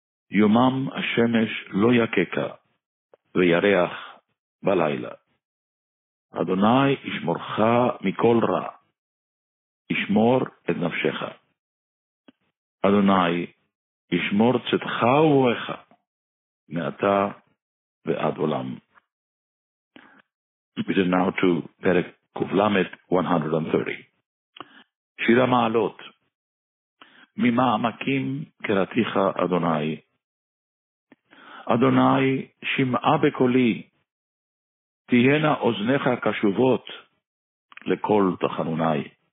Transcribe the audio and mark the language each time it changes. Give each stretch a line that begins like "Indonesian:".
Hebrew: יומם השמש לא יקקה, וירח בלילה. אדוני ישמורך מכל רע, ישמור את נפשך. אדוני ישמור צדך ובואך, מעתה ועד עולם.
English: We turn now to
Hebrew: פרק קובלמת
English: 130.
Hebrew: שיר המעלות, ממעמקים קראתיך אדוני. אדוני, שמעה בקולי, תהיינה אוזניך קשובות לכל תחנוני.